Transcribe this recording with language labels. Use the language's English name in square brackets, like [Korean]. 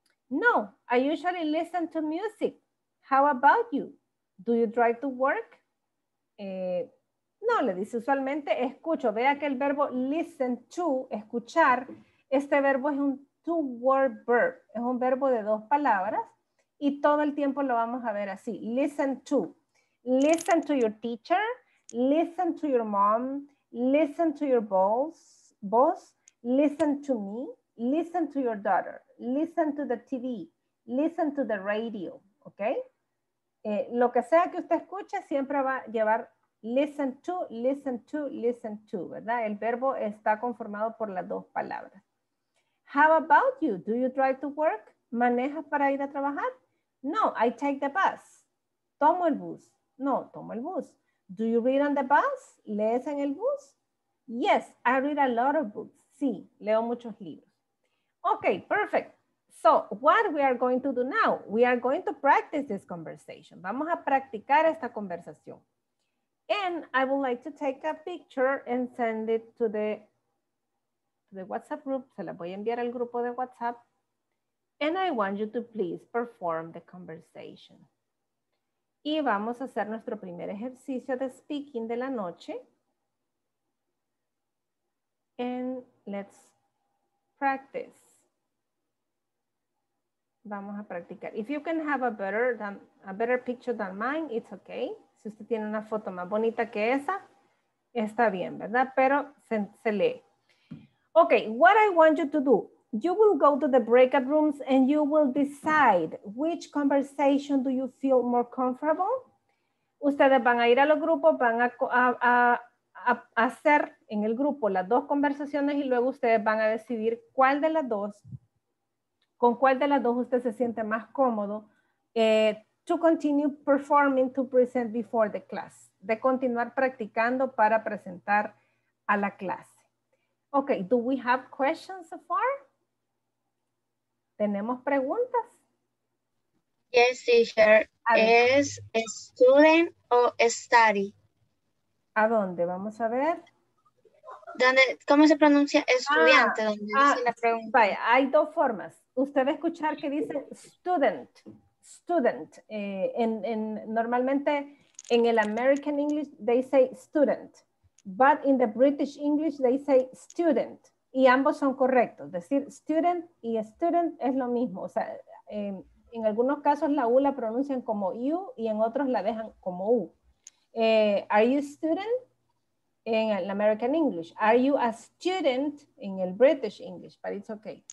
[English] No, I usually listen to music. How about you? Do you drive to work? [Spanish] No, le dice, usualmente escucho. Vea que el verbo listen to, escuchar, este verbo es un two-word verb. Es un verbo de dos palabras y todo el tiempo lo vamos a ver así. [English] Listen to. Listen to your teacher, listen to your mom, listen to your boss, listen to me, listen to your daughter, listen to the TV, listen to the radio, ¿ok? [Spanish] Lo que sea que usted escuche siempre va a llevar listen to, listen to, listen to, ¿verdad? El verbo está conformado por las dos palabras. [English] How about you? Do you drive to work? [Spanish] ¿Manejas para ir a trabajar? [English] No, I take the bus. [Spanish] Tomo el bus. No, tomo el bus. [English] Do you read on the bus? [Spanish] ¿Lees en el bus? [English] Yes, I read a lot of books. [Spanish] Sí, leo muchos libros. [English] Okay, perfect. So, what we are going to do now? We are going to practice this conversation. [Spanish] Vamos a practicar esta conversación. [English] And I would like to take a picture and send it to the WhatsApp group. [Spanish] Se la voy a enviar al grupo de WhatsApp. [English] And I want you to please perform the conversation. [Spanish] Y vamos a hacer nuestro primer ejercicio de speaking de la noche. [English] And let's practice. [Spanish] Vamos a practicar. [English] If you can have a better picture than mine, it's okay. [Spanish] Si usted tiene una foto más bonita que esa, está bien, ¿verdad? Pero se lee. [English] Okay, what I want you to do. You will go to the breakout rooms and you will decide which conversation do you feel more comfortable. [Spanish] Ustedes van a ir a los grupos, van a hacer en el grupo las dos conversaciones y luego ustedes van a decidir cuál de las dos, con cuál de las dos usted se siente más cómodo [English] to continue performing to present before the class, [Spanish] de continuar practicando para presentar a la clase. [English] Okay, do we have questions so far? [Spanish] ¿Tenemos preguntas? [English] Yes, teacher. [Spanish] ¿Es student o study? ¿A dónde? Vamos a ver. ¿Dónde, cómo se pronuncia estudiante? Dice la vaya, hay dos formas. Usted va a escuchar que dice student. Student. Normalmente en el [English] American English they say student. But in the British English they say student. [Spanish] Y ambos son correctos. Decir student y student es lo mismo. O sea, en algunos casos la U la pronuncian como U y en otros la dejan como U. [English] Are you student? En el American English. Are you a student? En el British English. But it's okay.